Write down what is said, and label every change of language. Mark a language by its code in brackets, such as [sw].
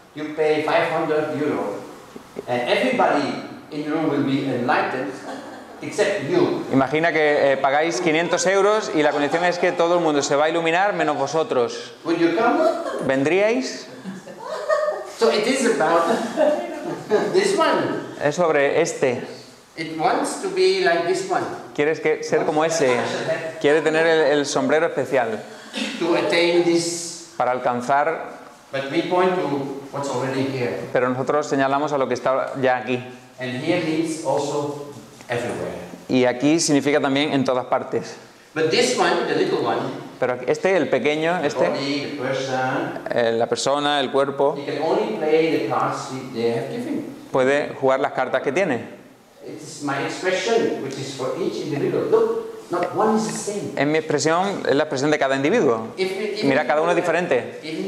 [en] You pay 500 euros and everybody in the room will be enlightened except you. [es] Imagina que pagáis 500 euros y la condición es que todo el mundo se va a iluminar menos vosotros. [en] Would you come? [es] ¿Vendríais? [en] So it is about this one. [es] Es sobre este. [en] It wants to be like this one. [es] Quieres que ser como ese. Quiere tener el sombrero especial. [en] To attain this. [es] Para alcanzar. [en] But we point to what's already here. [es] Pero nosotros señalamos a lo que está ya aquí. [en] And here means also everywhere. [es] Y aquí significa también en todas partes. [en] But this one, the little one, [es] pero este, el pequeño, [en] the [es] este, [en] body, the person, [es] la persona, el cuerpo, [en] he can only play the cards they have given. [es] Puede jugar las cartas que tiene. [en] It's my expression, which is for each individual. Look. Not one is the same. [es] En mi expresión es la expresión de cada individuo. Mira, cada uno es diferente.